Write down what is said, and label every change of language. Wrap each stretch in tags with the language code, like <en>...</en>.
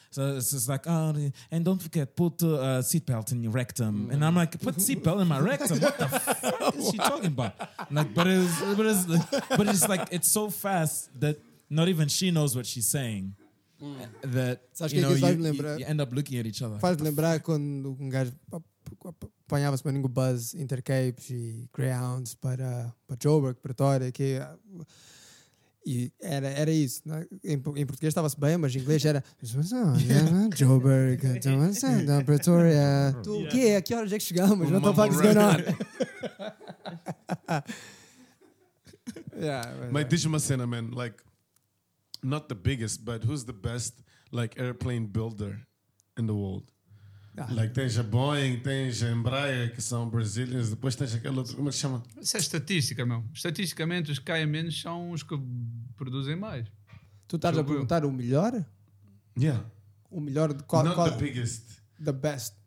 <en>So it's just like, oh, and don't forget, put a seatbelt in your rectum. Mm-hmm. And I'm like, put seatbelt in my rectum? What the fuck is she talking about? Like, but it's like, it's so fast that not even she knows what she's saying. You end up looking at each other.</en> <pt>Faz lembrar quando um gajo apanhava-se uma língua buzz, Intercapes e Greyhounds para Joburg, Pretória, que... E era isso. Né? Em português estava-se bem, mas em inglês era... Joburg, Pretoria. O quê? A que horas é que chegamos?</pt> <en>What the fuck is going on?</en> <pt>Mas diz uma cena, man.</pt> <en>Like, not the biggest, but who's the best like airplane builder in the world?</en> <pt>Like, tens a Boeing, tens a Embraer, que são brasileiros, depois tens aquele outro, como é que chama? Isso é estatística, meu. Estatisticamente, os que caem menos são os que produzem mais. Tu estás a perguntar o melhor?</pt> <en>Yeah.</en> <pt>O melhor de qual?</pt> <en>Not</en> <pt>qual,</pt> <en>the biggest. The best.</en>